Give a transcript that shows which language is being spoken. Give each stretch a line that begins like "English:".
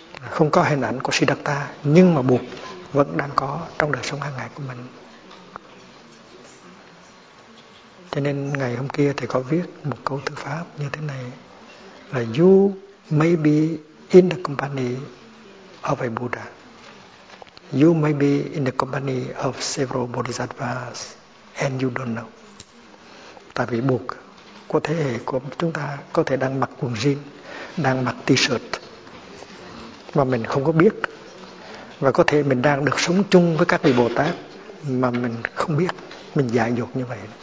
Vietnamese: Không có hình ảnh của Siddhartha, nhưng mà buộc vẫn đang có trong đời sống hàng ngày của mình. Cho nên ngày hôm kia thầy có viết một câu thư pháp như thế này là
English: You may be in the company of a Buddha. You may be in the company of several Bodhisattvas and you don't know.
Vietnamese: Tại vì buộc của thế hệ của chúng ta có thể đang mặc quần jean, đang mặc t-shirt mà mình không có biết, và có thể mình đang được sống chung với các vị Bồ Tát mà mình không biết, mình dại dột như vậy.